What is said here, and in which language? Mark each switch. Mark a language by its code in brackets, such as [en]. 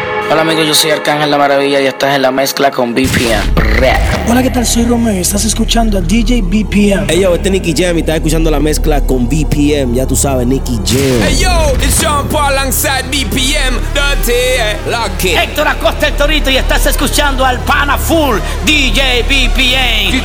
[es] Hola amigos, yo soy Arcángel La Maravilla y estás en la mezcla con BPM. Hola, ¿qué tal? Soy Romeo y estás escuchando a DeejayBpm. Hey yo, este es Nicky Jam y estás escuchando la mezcla con BPM. Ya tú sabes, Nicky Jam. [en] Hey yo, it's Sean Paul alongside BPM, Dirty Lucky. [es] Héctor Acosta, el Torito, y estás escuchando al pana full DeejayBpm.